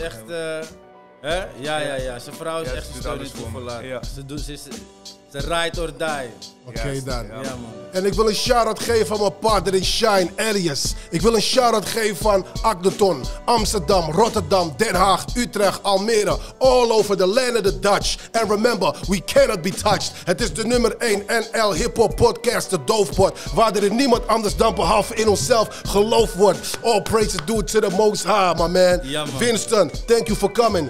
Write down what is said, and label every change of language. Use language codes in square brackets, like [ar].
[nl] Is echt... hè? Ja, ja, ja. Zijn vrouw is echt zijn steun en toeverlaat. Ja. Ze [en] ride or die. [nl] Oké, dan. Ja, man. En ik wil een shout-out geven aan mijn partner in Shine, Elias. Ik wil een shout-out geven aan Akdeton, Amsterdam, Rotterdam, Den Haag, Utrecht, Almere. [en] All over the land of the Dutch. And remember, we cannot be touched. [nl] Het is de nummer 1 NL hip-hop podcast, de Doofpot. Waar er in niemand anders dan behalve in onszelf geloofd wordt. [en] All praises due to the most high, my man. [nl] Ja, man. [en] Winston, thank you for coming.